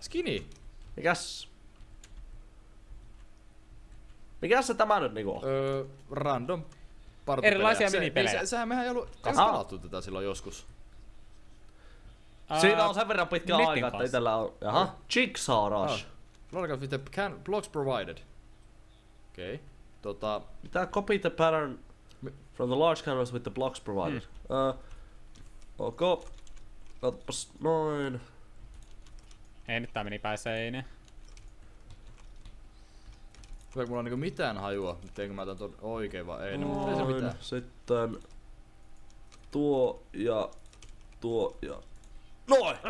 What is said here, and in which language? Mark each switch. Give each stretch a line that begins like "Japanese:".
English: Skinny?
Finnish: Mikäs? Mikäs se tämä nyt niinku on? Random. Partipelejä. Erilaisia minipelejä. Niin, sehän mehän ei ollut pelattu tätä silloin joskus. Siinä on sen verran pitkä aika, pass. Että itellä on... Jaha. Jigsaw Rush.
English: Logical with the can blocks provided.
Finnish: Okei. Okay. Tota...
English: Mitä copy the pattern... From the large canvas with the blocks provided.
Finnish: Ok. Katsotaanpas noin. Ei nyt tää meni päin seinä. Tuleeko mulla niinku mitään hajua? Teinkö mä tän ton oikein vai ei? Noin. Ei se mitään. Sitten... Tuo ja... Tuo ja... Noin!